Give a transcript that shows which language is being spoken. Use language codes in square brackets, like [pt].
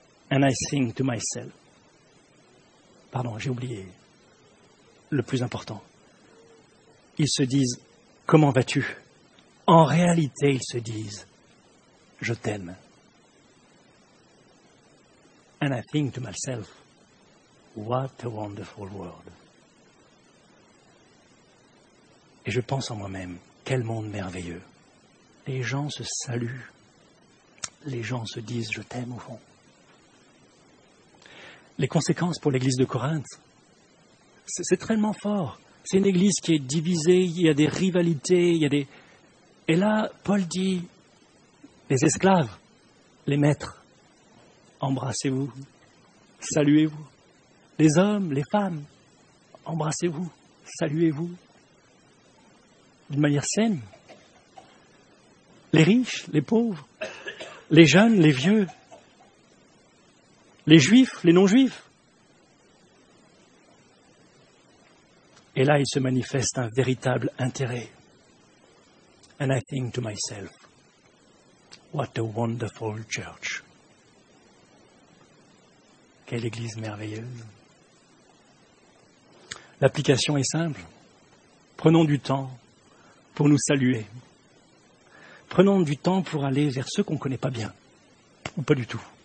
[en] And I sing to myself. [fr] » Pardon, j'ai oublié le plus important. Ils se disent « Comment vas-tu ?» En réalité, ils se disent « Je t'aime. » [en] And I think to myself, what a wonderful world. [fr] Et je pense en moi-même, quel monde merveilleux. Les gens se saluent. Les gens se disent, je t'aime au fond. Les conséquences pour l'église de Corinthe, c'est tellement fort. C'est une église qui est divisée, il y a des rivalités, il y a des... Et là, Paul dit, les esclaves, les maîtres, embrassez-vous, saluez-vous. Les hommes, les femmes, embrassez-vous, saluez-vous. D'une manière saine. Les riches, les pauvres, les jeunes, les vieux, les juifs, les non-juifs. Et là, il se manifeste un véritable intérêt. [en] And I think to myself, what a wonderful church. [fr] Quelle église merveilleuse. L'application est simple. Prenons du temps pour nous saluer. Prenons du temps pour aller vers ceux qu'on ne connaît pas bien, ou pas du tout.